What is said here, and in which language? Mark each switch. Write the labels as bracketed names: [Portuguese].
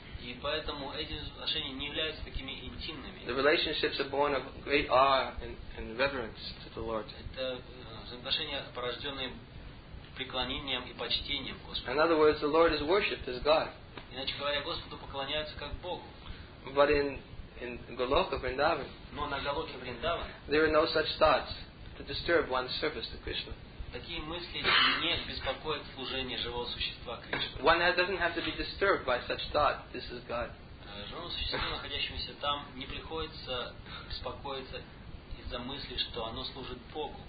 [Russian] И поэтому эти отношения не являются такими интимными. [English] The relationships are born of great awe and reverence to the Lord. [Russian] Это взаимоотношения, порожденные преклонением и почтением Господа. [English] In other words, the Lord is worshipped as God. [Russian] Иначе говоря, Господу поклоняются как Богу. [English] But in Goloka Vrindavan, [Russian] но на Голоке Вриндаван, [English] there are no such thoughts to disturb one's service to Krishna. [Russian] Такие мысли не беспокоят служение живого существа Кришне. [English] One doesn't have to be disturbed by such thought. This is God. [Russian] Живому существу, находящемуся там, не приходится беспокоиться из-за мысли, что оно служит Богу.